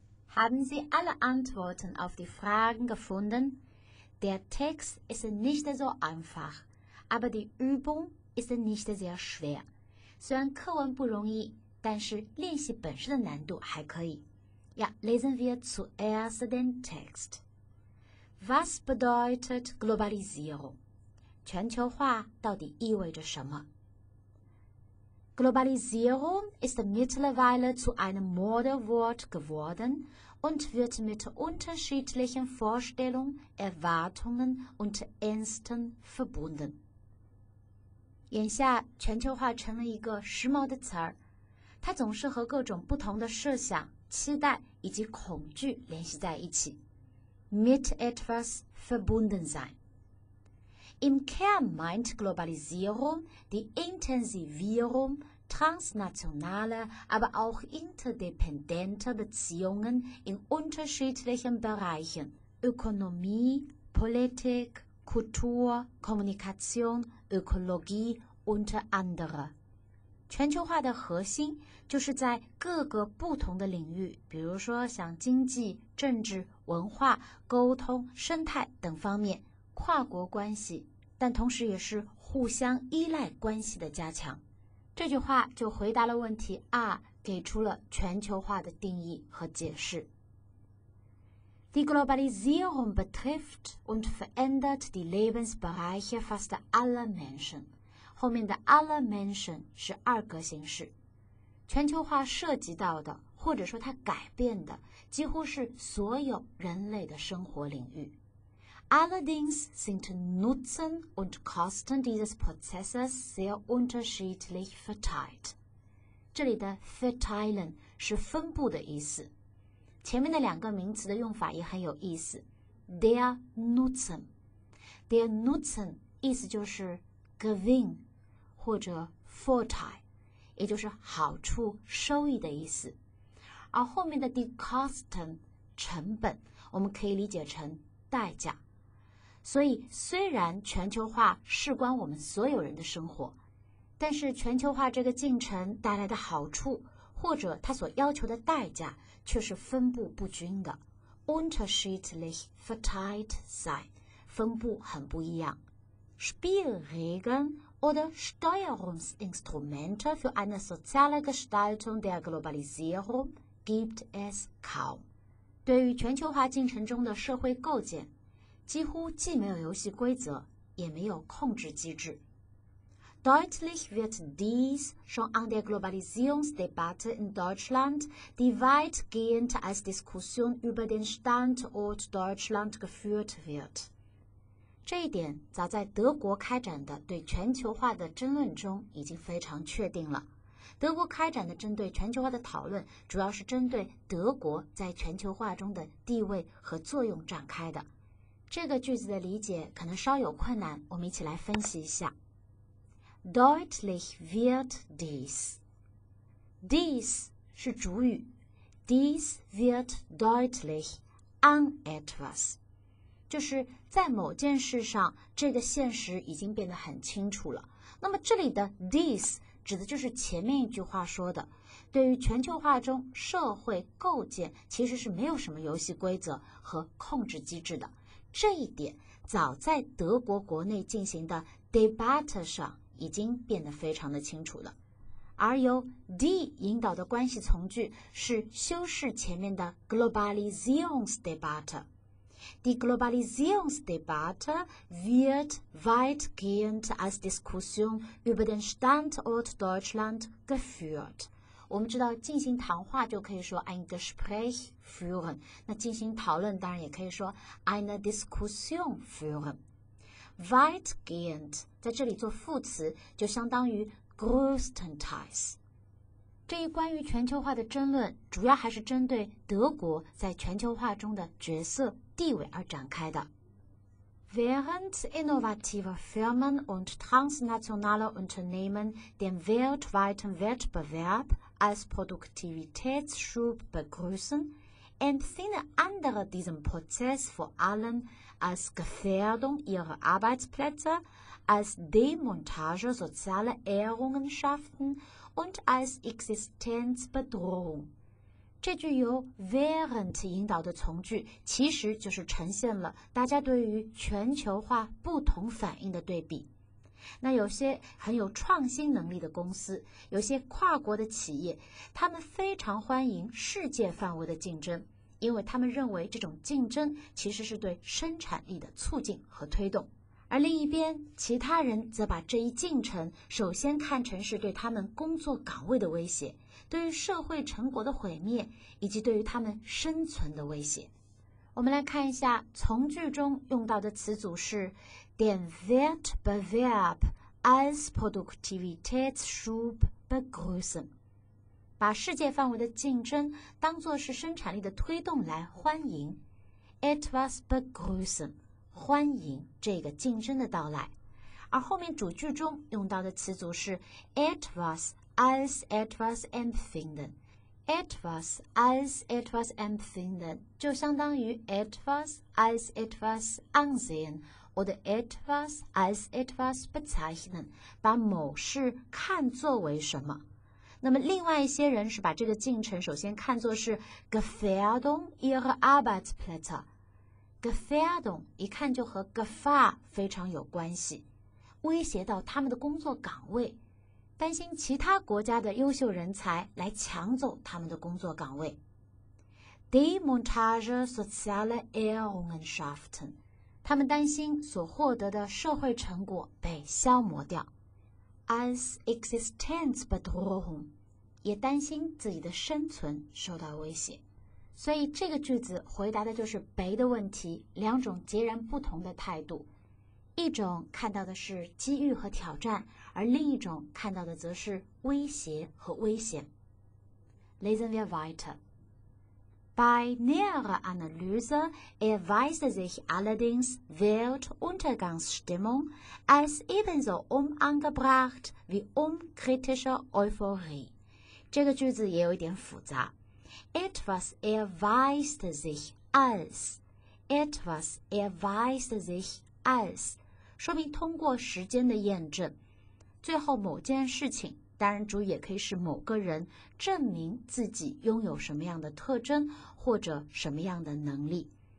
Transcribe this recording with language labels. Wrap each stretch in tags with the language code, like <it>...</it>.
<de>Haben Sie alle Antworten auf die Fragen gefunden? Der Text ist nicht so einfach, aber die Übung ist nicht sehr schwer.</de> <zh>虽然课文不容易，但是练习本身的难度还可以。</zh> <de>Ja, lesen wir zuerst den Text. Was bedeutet Globalisierung?</de> <zh>全球化到底意味着什么？</zh> <de>Globalisierung ist mittlerweile zu einem Modewort geworden und wird mit unterschiedlichen Vorstellungen, Erwartungen und Ängsten verbunden.</de> <zh>眼下，全球化成了一个时髦的词儿，它总是和各种不同的设想、期待以及恐惧联系在一起。</zh> <de>Mit etwas verbunden sein. Im Kern meint Globalisierung die Intensivierung transnationaler, aber auch interdependenter Beziehungen in unterschiedlichen Bereichen, Ökonomie, Politik, Kultur, Kommunikation, Ökologie und andere.</de> <zh>全球化的核心就是在各个不同的领域，比如说像经济、政治、文化、沟通、生态等方面，跨国关系。但同时也是互相依赖关系的加强。这句话就回答了问题二，给出了全球化的定义和解释。</zh> <de>Die Globalisierung betrifft und verändert die Lebensbereiche fast aller Menschen.</de> <zh>后面的</zh> <de>aller Menschen</de> <zh>是二格形式。全球化涉及到的，或者说它改变的，几乎是所有人类的生活领域。</zh> <de>Allerdings sind Nutzen und Kosten dieses Prozesses sehr unterschiedlich verteilt.</de> <zh>这里的 verteilen 是分布的意思。前面的两个名词的用法也很有意思。</zh> <de>Der Nutzen. Der Nutzen</de> <zh>意思就是 Gewinn 或者 Vorteil, 也就是好处、收益的意思。而后面的</zh> <de>die Kosten,</de> <zh>成本我们可以理解成代价。所以虽然全球化事关我们所有人的生活，但是全球化这个进程带来的好处或者它所要求的代价却是分布不均的</zh> <de>unterschiedlich verteilt sein,</de> <zh>分布很不一样。</zh> <de>Spielregeln oder Steuerungsinstrumente für eine soziale Gestaltung der Globalisierung gibt es kaum.</de> <zh>对于全球化进程中的社会构建几乎既没有游戏规则，也没有控制机制。</zh> <de>Deutlich wird dies schon an der Globalisierungsdebatte in Deutschland, die weitgehend als Diskussion über den Standort Deutschland geführt wird.</de> <zh>这一点早在德国开展的对全球化的争论中已经非常确定了。德国开展的针对全球化的讨论，主要是针对德国在全球化中的地位和作用展开的。这个句子的理解可能稍有困难，我们一起来分析一下。</zh> <de>Deutlich wird dies. Dies</de> <zh>是主语</zh> <de>,dies wird deutlich an etwas.</de> <zh>就是在某件事上这个现实已经变得很清楚了。那么这里的 dies 指的就是前面一句话说的，对于全球化中社会构建其实是没有什么游戏规则和控制机制的。这一点早在德国国内进行的 debate 上已经变得非常的清楚了。而由 D 引导的关系从句是修饰前面的 Globalisierungsdebatte.</zh> <de>Die Globalisierungsdebatte wird weitgehend als Diskussion über den Standort Deutschland geführt.</de> <zh>我们知道进行谈话就可以说</zh> <de>ein Gespräch führen,</de> <zh>那进行讨论当然也可以说</zh> <de>eine Diskussion führen.</de> <zh>Weitgehend, 在这里做副词就相当于 größtenteils. 这一关于全球化的争论主要还是针对德国在全球化中的角色地位而展开的。</zh> <de>Während innovative Firmen und transnationale Unternehmen den weltweiten Wettbewerb als Produktivitätsschub begrüßen, empfinden andere diesen Prozess vor allem als Gefährdung ihrer Arbeitsplätze, als Demontage sozialer Errungenschaften und als Existenzbedrohung.</de> <zh>这句由 während 引导的从句其实就是呈现了大家对于全球化不同反应的对比。那有些很有创新能力的公司，有些跨国的企业，他们非常欢迎世界范围的竞争，因为他们认为这种竞争其实是对生产力的促进和推动。而另一边，其他人则把这一进程首先看成是对他们工作岗位的威胁，对于社会成果的毁灭，以及对于他们生存的威胁。我们来看一下从句中用到的词组是</zh> <de>den Wert Bewerb als Produktivitätsschub begrüßen，</de> <zh>把世界范围的竞争当作是生产力的推动来欢迎</zh> <de>etwas begrüßen，</de> <zh>欢迎这个竞争的到来。而后面主句中用到的词组是</zh> <de>etwas als etwas empfinden， etwas als etwas empfinden 就相当于 etwas als etwas ansehen oder etwas als etwas bezeichnen，</de> <zh>把某事看作为什么。那么另外一些人是把这个进程首先看作是</zh> <de>Gefährdung ihrer Arbeitsplätze，</de> <zh>Gefährdung 一看就和 Gefahr 非常有关系，威胁到他们的工作岗位，担心其他国家的优秀人才来抢走他们的工作岗位。</zh> <de>Demontage soziale Errungenschaften，</de> <zh>他们担心所获得的社会成果被消磨掉。</zh> <de>Als Existenzbedrohung，</de> <zh>也担心自己的生存受到威胁。所以这个句子回答的就是北的问题，两种截然不同的态度，一种看到的是机遇和挑战，而另一种看到的则是威胁和危险。</zh> <de>Lesen wir weiter. Bei näherer Analyse erweist sich allerdings Weltuntergangsstimmung als ebenso unangebracht wie unkritische Euphorie.</de> <zh>这个句子也有一点复杂。</zh> <de>Etwas erweist sich als. Etwas erweist sich als.</de> <zh>说明通过时间的验证，最后某件事情，当然主语也可以是某个人，证明自己拥有什么样的特征或者什么样的能力。</zh>